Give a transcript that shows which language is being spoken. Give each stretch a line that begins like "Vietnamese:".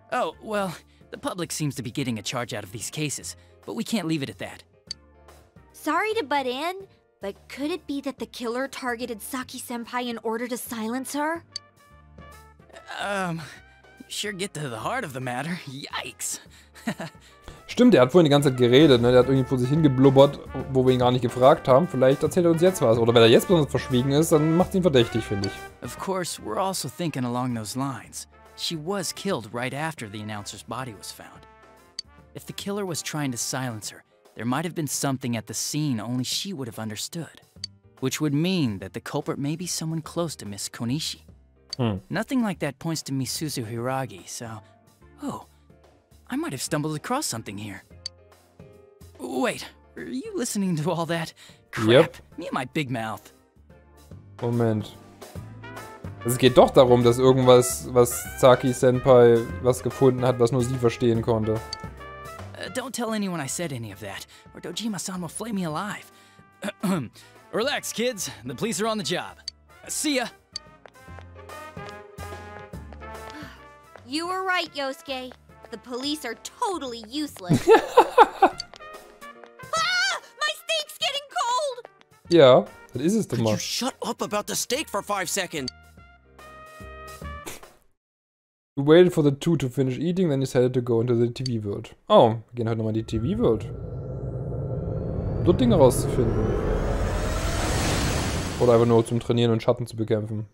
English: Oh, well, the public seems to be getting a charge out of these cases, but we can't leave it at that. Sorry to butt in, but could it be that the killer targeted Saki-senpai in order to silence her? Sure get to the heart of the matter. Yikes!
German: Stimmt, er hat vorhin die ganze Zeit geredet, ne? Der hat irgendwie vor sich hingeblubbert, wo wir ihn gar nicht gefragt haben. Vielleicht erzählt er uns jetzt was. Oder wenn er jetzt besonders verschwiegen ist, dann macht ihn verdächtig, finde ich.
English: Of course, we're also thinking along those lines. She was killed right after the announcer's body was found. If the killer was trying to silence her, there might have been something at the scene only she would have understood. Which would mean that the culprit may be someone close to Miss Konishi. Nothing like that points to Misuzu Hiragi, so... Oh, I might have stumbled across something here. Wait, are you listening to all that? Crap, yep. Me and my big mouth.
German: Moment. Es geht doch darum, dass irgendwas, was Saki-senpai was gefunden hat, was nur sie verstehen konnte.
English: Don't tell anyone I said any of that, or Dojima-san will flay me alive. Relax, kids. The police are on the job. See ya. You were right, Yosuke. The police are totally useless. Ah! My steak's getting cold! Yeah, that is it, the mark. Could you shut up about the steak for 5 seconds? We waited for the two to finish eating, then decided to go into the TV world.
German: Oh, wir gehen heute nochmal in die TV world. Um dort Dinge rauszufinden. Oder einfach nur zum Trainieren und Schatten zu bekämpfen.